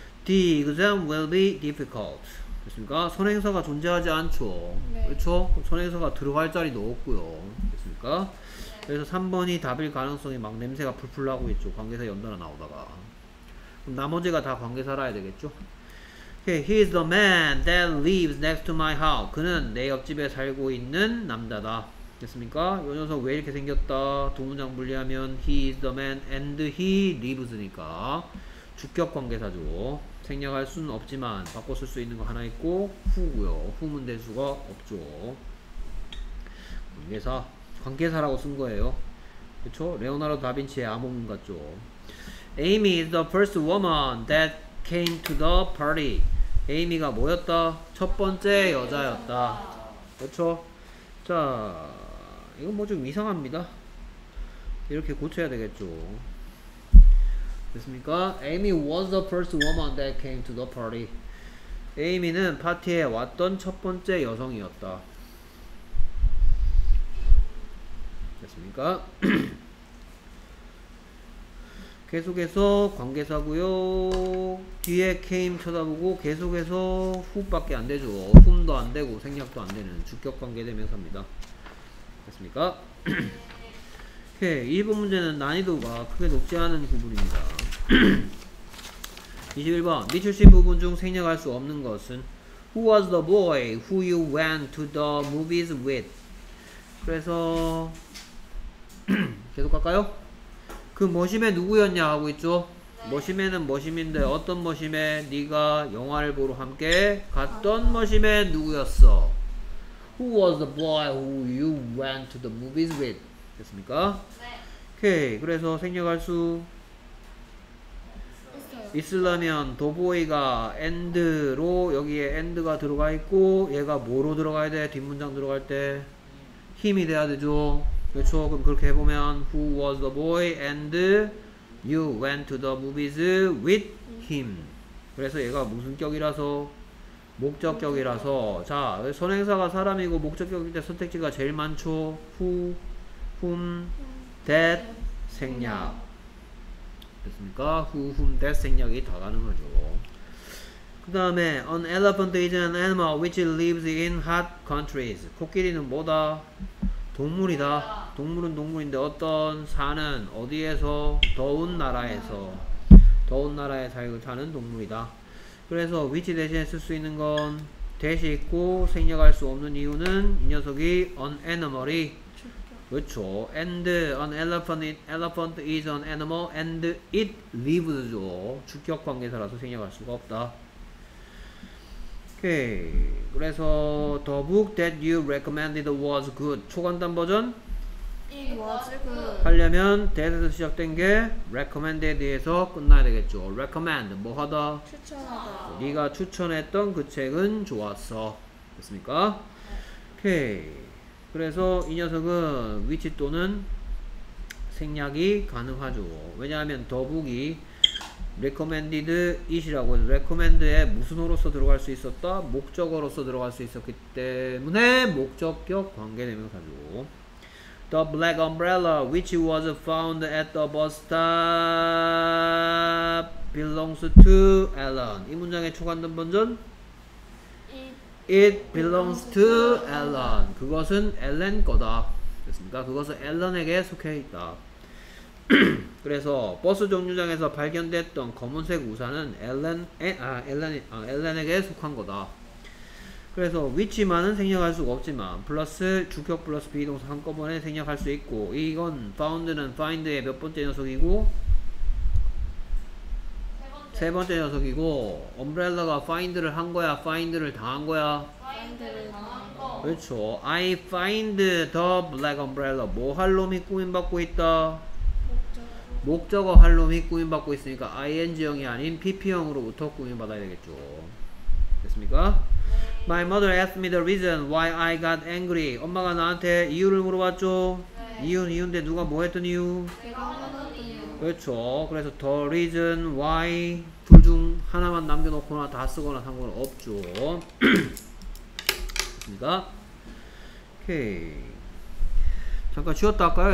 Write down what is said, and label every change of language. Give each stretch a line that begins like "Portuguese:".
English: The exam will be difficult.
Korean: 됐습니까? 선행사가 존재하지 않죠. 네. 그렇죠? 선행사가 들어갈 자리도 없고요. 됐습니까? 그래서 3번이 답일 가능성이 막 냄새가 풀풀 나고 있죠. 관계사 연달아 나오다가. 그럼 나머지가 다 관계사라야 되겠죠?
English: Okay, he is the man that lives next to my house.
Korean: 그는 내 옆집에 살고 있는 남자다. 됐습니까? 요 녀석 왜 이렇게 생겼다? 두 문장 분리하면 he is the man and he lives니까. 주격 관계사죠. 생략할 수는 없지만 바꿔 쓸 수 있는 거 하나 있고 who고요. who는 될 수가 없죠. 관계사. 관계사라고 쓴 거예요. 그쵸? 레오나르도 다빈치의 암호문 같죠.
English: Amy is the first woman that came to the party.
Korean: Amy가 뭐였다? 첫 번째 여자였다. 그쵸? 자, 이건 뭐 좀 이상합니다. 이렇게 고쳐야 되겠죠. 됐습니까?
English: Amy was the first woman that came to the party.
Korean: Amy는 파티에 왔던 첫 번째 여성이었다. 됐습니까? 계속해서 관계사고요. 뒤에 came 쳐다보고 계속해서 who밖에 안 되죠. whom도 안 되고 생략도 안 되는 주격 관계대명사입니다. 됐습니까? 오케이. 1번 문제는 난이도가 크게 높지 않은 구분입니다. 21번. 미출신 부분 중 생략할 수 없는 것은
English: who was the boy who you went to the movies with?
Korean: 그래서 계속 갈까요? 그 머시맨 누구였냐 하고 있죠? 네. 머시맨은 머시맨인데 어떤 머시맨? 네가 영화를 보러 함께 갔던 머시맨 누구였어?
English: Who was the boy who you went to the movies with?
Korean: 됐습니까? 네. 오케이. 그래서 생략할 수 있으려면 도보이가 end로 여기에 end가 들어가 있고 얘가 뭐로 들어가야 돼? 뒷문장 들어갈 때 힘이 돼야 되죠? 그렇죠. 그럼 그렇게 해보면
English: Who was the boy and you went to the movies with him.
Korean: 그래서 얘가 무슨 격이라서? 목적격이라서. 자, 선행사가 사람이고 목적격일 때 선택지가 제일 많죠.
English: Who, whom, that,
Korean: 생략. 됐습니까?
English: Who, whom, that
Korean: 생략이 다 가능하죠. 그 다음에
English: An elephant is an animal which lives in hot countries.
Korean: 코끼리는 뭐다? 동물이다. 동물은 동물인데 어떤 사는 어디에서? 더운 나라에서. 더운 나라에 살고 사는 동물이다. 그래서 which 대신에 쓸 수 있는 건 that이 있고 생략할 수 없는 이유는 이 녀석이 an animal이 그렇죠.
English: And an elephant is an animal and it lives
Korean: 죠. 주격 관계사라서 생략할 수가 없다. 오케이. 그래서
English: the book that you recommended was good.
Korean: 초간단 버전?
English: It was good.
Korean: 하려면 that에서 시작된 게 recommended에서 끝나야 되겠죠. Recommend 뭐하다? 추천하다. 네가 추천했던 그 책은 좋았어. 됐습니까? 오케이. 그래서 이 녀석은 which 또는 생략이 가능하죠. 왜냐하면 the book이 recommended it이라고 해서 recommend에 무슨어로서 들어갈 수 있었다? 목적어로서 들어갈 수 있었기 때문에 목적격 관계대명사죠.
English: The black umbrella which was found at the bus stop belongs to Alan.
Korean: 이 문장의 초간단 번전?
English: It belongs to Alan.
Korean: 그것은 Alan 거다. 됐습니까? 그것은 Alan에게 속해 있다. 그래서 버스 정류장에서 발견됐던 검은색 우산은 엘렌에게 속한 거다. 그래서 위치만은 생략할 수가 없지만 플러스 주격 플러스 비동사 한꺼번에 생략할 수 있고 이건 found는 find의 몇 번째 녀석이고 세 번째 녀석이고 엄브렐라가 find를 한 거야? find를 당한 거야? find를 당한 거. 그렇죠.
English: I find the black umbrella.
Korean: 뭐 할 놈이 꾸임받고 있다? 목적어 할 놈이 꾸임받고 있으니까 ing형이 아닌 pp형으로부터 꾸임받아야 되겠죠. 됐습니까? 네.
English: My mother asked me the reason why I got angry.
Korean: 엄마가 나한테 이유를 물어봤죠? 네. 이유는 이유인데 누가 뭐 했던 이유? 내가 하는 이유. 그렇죠. 그래서 the reason why 둘 중 하나만 남겨놓거나 다 쓰거나 상관없죠. 됐습니까? 오케이. 잠깐 쉬었다 할까요?